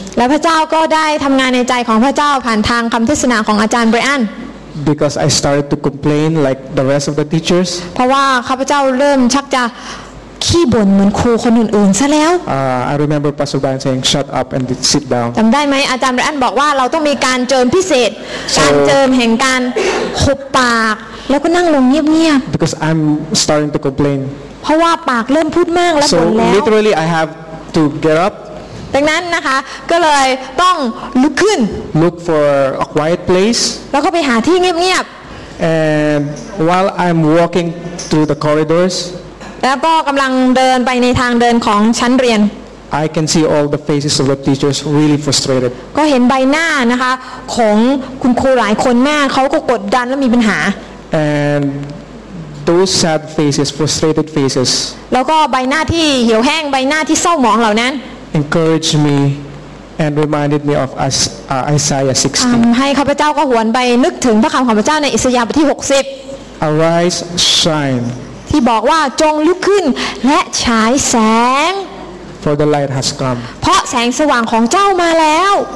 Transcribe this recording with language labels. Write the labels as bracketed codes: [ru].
[th] และพระเจ้าก็ได้ทำงานในใจของพระเจ้าผ่านทางคำเทศนาของอาจารย์ Brian [en] because I started to complain like the rest of the teachers [th] เพราะว่าข้าพเจ้าเริ่มชักจะขี้บ่นเหมือนครูคนอื่นๆซะแล้ว [en] I remember Pastor Brian saying shut up and sit down [th] จำได้ไหมอาจารย์ Brian บอกว่าเราต้องมีการเจิมพิเศษการเจิมแห่งการหุบปากแล้วก็นั่งลงเงียบ [en] ๆ because I'm starting to complain [th] เพราะว่าปากเริ่มพูดมากแล้วบ่นแล้ว [en] so literally I haveTo get up. [th] ดังนั้นนะคะก็เลยต้องลุกขึ้น [en] Look for a quiet place. [th] แล้วก็ไปหาที่เงียบ [en] ๆ And while I'm walking through the corridors. [th] แล้วก็กำลังเดินไปในทางเดินของชั้นเรียน [en] I can see all the faces of the teachers really frustrated. [th] ก็เห็นใบหน้านะคะของคุณครูหลายคนมากเขาก็กดดันและมีปัญหา [en] AndThose sad faces, frustrated faces. [th] แล้วก็ใบหน้าที่เหี่ยวแห้งใบหน้าที่เศร้าหมองเหล่านั้น [en] Encouraged me and reminded me of Isaiah 60. [th] ให้ข้าพเจ้าก็หวนไปนึกถึงพระคำของพระเจ้าในอิสยาห์บทที่60 [en] Arise, shine. [th] ที่บอกว่าจงลุกขึ้นและฉายแสง [en] For the light has come. [th] เพราะแสงสว่างของเจ้ามาแล้ว